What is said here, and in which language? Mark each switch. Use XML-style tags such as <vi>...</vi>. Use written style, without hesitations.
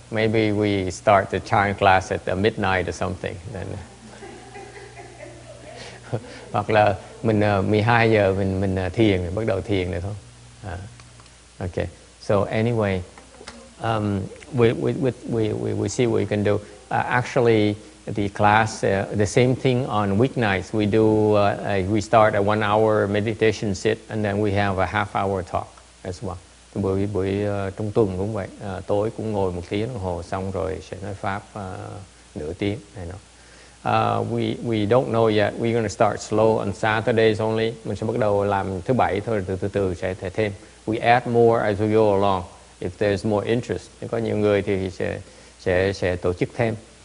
<en>Maybe we start the Chan class at the midnight or something.</en> <vi>Then, hoặc là mình 12 giờ mình thiền, bắt đầu thiền này thôi.</vi> <en>Okay. So anyway, we see what we can do. Actually, the class, the same thing on weeknights. We do we start a 1 hour meditation sit, and then we have a half hour talk as well.</en> <vi>Buổi trung tuần cũng vậy, tối cũng ngồi một tiếng đồng hồ xong rồi sẽ nói pháp nửa tiếng này nọ.</vi> <en>We don't know yet. We're gonna start slow on Saturdays only.</en> <vi>Mình sẽ bắt đầu làm thứ bảy thôi, từ từ sẽ thể thêm.</vi> <en>We add more as we go along if there's more interest.</en> <vi>Nếu có nhiều người thì sẽ tổ chức thêm.</vi>